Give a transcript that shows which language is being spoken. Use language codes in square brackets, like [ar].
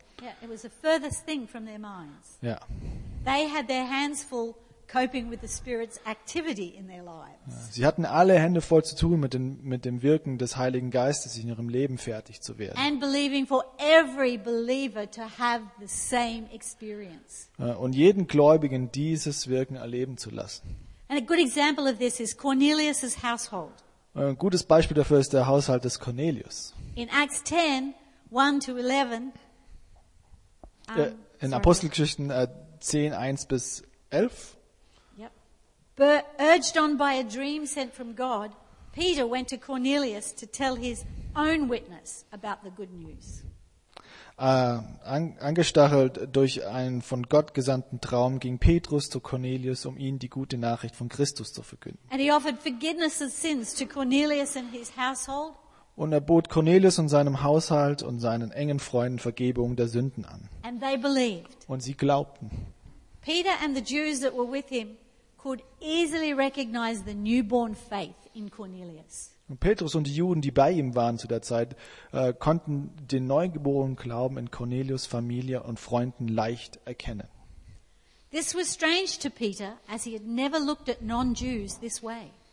[en] Yeah, it was the furthest thing from their minds. Yeah. They had their hands full coping with the Spirit's activity in their lives. [de] Sie hatten alle Hände voll zu tun mit dem Wirken des Heiligen Geistes in ihrem Leben fertig zu werden. [en] And believing for every believer to have the same experience. [de] Und jeden Gläubigen dieses Wirken erleben zu lassen. [en] And a good example of this is Cornelius's household. [de] Ein gutes Beispiel dafür ist der Haushalt des Cornelius. [en] In Acts 10, 1 to 11. [de] In Apostelgeschichten 10, 1 bis 11. [en] Urged on by a dream sent from God, Peter went to Cornelius to tell his own witness about the good news. [de] Angestachelt durch einen von Gott gesandten Traum ging Petrus zu Cornelius, um ihm die gute Nachricht von Christus zu verkünden. [en] And he offered forgiveness of sins to Cornelius and his household. [de] Und er bot Cornelius und seinem Haushalt und seinen engen Freunden Vergebung der Sünden an. [en] And they believed. [de] Und sie glaubten. [en] Peter and the Jews that were with him could easily recognize the newborn faith in Cornelius. [de] Und Petrus und die Juden, die bei ihm waren zu der Zeit, konnten den neugeborenen Glauben in Cornelius' Familie und Freunden leicht erkennen. [en] This was strange to Peter, as he had never looked at non-Jews this way.